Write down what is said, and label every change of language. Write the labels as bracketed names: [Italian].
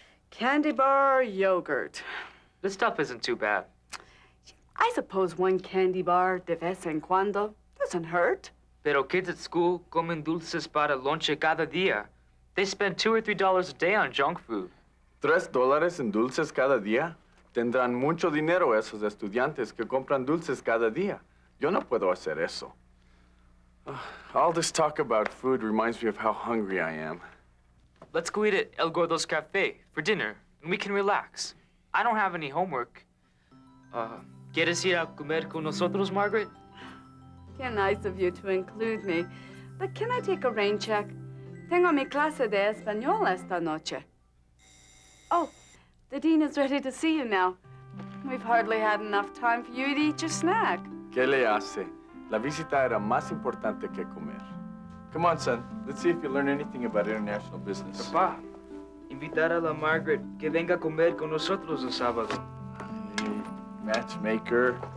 [English] Candy bar yogurt. This stuff isn't too bad. I suppose one candy bar [Spanish] de vez en cuando [English] doesn't hurt. [Spanish] Pero [English] kids at school [Spanish] comen dulces para lonche cada día. [English] They spend $2 or $3 a day on junk food. [Spanish] $3 en dulces cada día? Tendrán mucho dinero esos estudiantes que compran dulces cada día. Yo no puedo hacer eso. [English] All this talk about food reminds me of how hungry I am. Let's go eat at El Gordo's Cafe for dinner, and we can relax. I don't have any homework. [Spanish] ¿Quieres ir a comer con nosotros, Margaret? Qué [English] nice of you to include me. But can I take a rain check? [Spanish] Tengo mi clase de español esta noche. [English] Oh, the dean is ready to see you now. We've hardly had enough time for you to eat your snack. [Spanish] ¿Qué le hace? La visita era más importante que comer. [English] Come on, son. Let's see if you learn anything about international business. [Spanish] Papá, invitar a la Margaret que venga a comer con nosotros el sábado. [English] Hey, matchmaker.